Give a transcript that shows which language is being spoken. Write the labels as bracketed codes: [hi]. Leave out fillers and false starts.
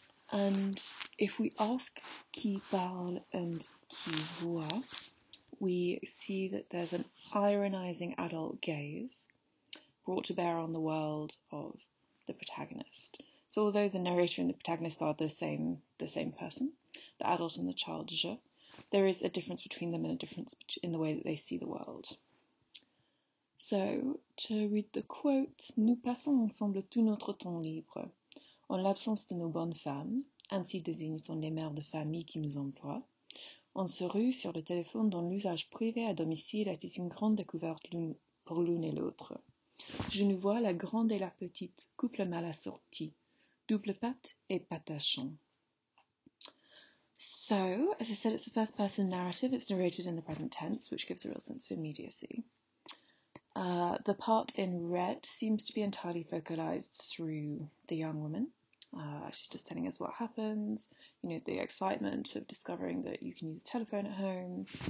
[en] And if we ask qui parle and qui voit, we see that there's an ironizing adult gaze brought to bear on the world of the protagonist. So although the narrator and the protagonist are the same person, the adult and the child je, there is a difference between them and a difference in the way that they see the world. So to read the quote, [fr] nous passons ensemble tout notre temps libre, en l'absence de nos bonnes femmes, ainsi désignent-on les mères de famille qui nous emploient, on se rue sur le téléphone dont l'usage privé à domicile était une grande découverte l'une pour l'une et l'autre. Je nous vois la grande et la petite, couple mal assorti, double patte et patachon. [en] So, as I said, it's a first person narrative, it's narrated in the present tense, which gives a real sense of immediacy. The part in red seems to be entirely focalized through the young woman. She's just telling us what happens, you know, the excitement of discovering that you can use a telephone at home.